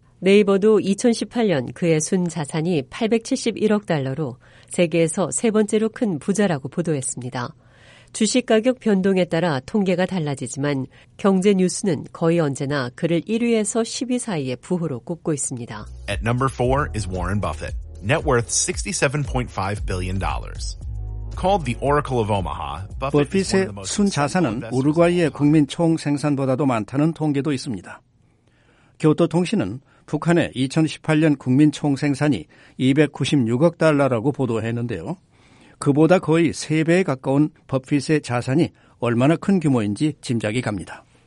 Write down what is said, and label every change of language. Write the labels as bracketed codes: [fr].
[ko] 네이버도 2018년 그의 순 자산이 871억 달러로 세계에서 세 번째로 큰 부자라고 보도했습니다. 주식 가격 변동에 따라 통계가 달라지지만 경제 뉴스는 거의 언제나 그를 1위에서 10위 사이의 부호로 꼽고 있습니다. [en] At number 4 is Warren Buffett, net worth $67.5 billion. Called the Oracle of Omaha, [ko] Buffett의 순 자산은 우루과이의 국민 총 생산보다도 많다는 통계도 있습니다. 교토 통신은 북한의 2018년 국민 총 생산이 296억 달러라고 보도했는데요. 그보다 거의 3배에 가까운 버핏의 자산이 얼마나 큰 규모인지 짐작이 갑니다.